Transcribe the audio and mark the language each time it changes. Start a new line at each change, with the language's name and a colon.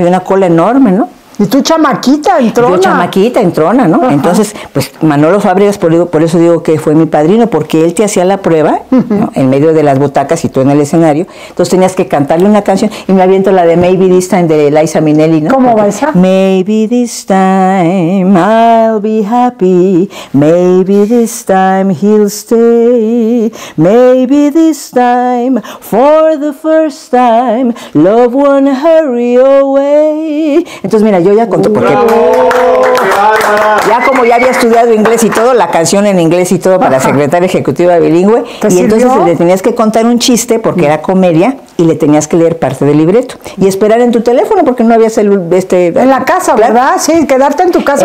Spanish: Y una cola enorme, ¿no? Y tú chamaquita, entrona. Yo chamaquita, entrona, ¿no? Ajá. Entonces, pues Manolo Fábregas, por eso digo que fue mi padrino, porque él te hacía la prueba, ¿no? En medio de las butacas y tú en el escenario. Entonces tenías que cantarle una canción y me aviento la de Maybe This Time de Liza Minnelli, ¿no? ¿Cómo va esa?
English: Maybe this time I'll be happy. Maybe this time he'll stay. Maybe this time for the first time love won't hurry away.
Spanish: Entonces, mira, yo ya conté porque ya como ya había estudiado inglés y todo, la canción en inglés y todo para secretaria ejecutiva bilingüe, y ¿sirvió? Entonces le tenías que contar un chiste porque era comedia y le tenías que leer parte del libreto y esperar en tu teléfono porque no había celular en la casa, ¿verdad? Sí, quedarte en tu casa